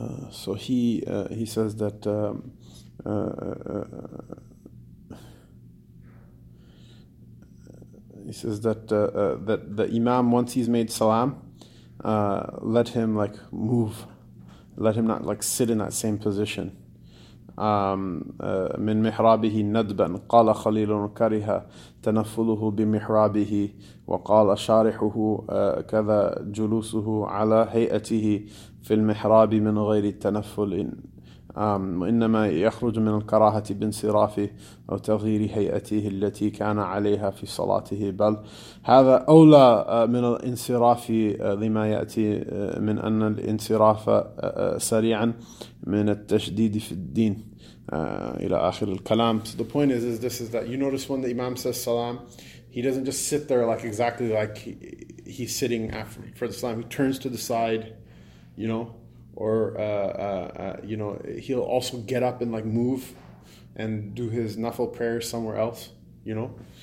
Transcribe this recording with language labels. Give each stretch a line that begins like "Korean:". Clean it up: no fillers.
English: So he says that that the imam, once he's made salam, let him like move, let him not like sit in that same position.
Arabic: من محرابه ندبا قال خليل كره تنفله بمحرابه وقال شارحه كذا جلوسه على هيئته في المحراب من غير التنفل وإنما يخرج من الكراهة بانصرافه أو تغيير هيئته التي كان عليها في صلاته بل هذا أولى من الانصراف لما يأتي من أن الانصراف سريعا من التشديد في الدين إلى آخر الكلام.
English: So the point is that you notice when the imam says salam, he doesn't just sit there like exactly like he's sitting after for the salam. He turns to the side, you know, or you know, he'll also get up and like move and do his nafil prayer somewhere else, you know.